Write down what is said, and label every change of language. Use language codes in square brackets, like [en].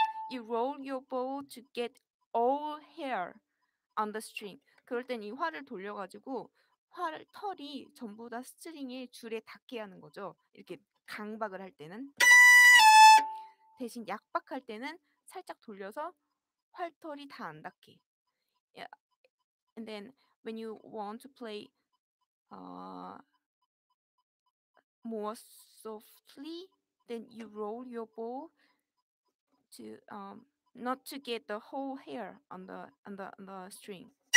[en] You roll your bow to get all hair on the string. [ko] 그럴 땐 이 활을 돌려가지고 활 털이 전부 다 스트링의 줄에 닿게 하는 거죠. 이렇게 강박을 할 때는. 대신 약박할 때는 살짝 돌려서 활털이 다 안 닿게. [en] Yeah. And then when you want to play more softly, then you roll your bow to not to get the whole hair on the string.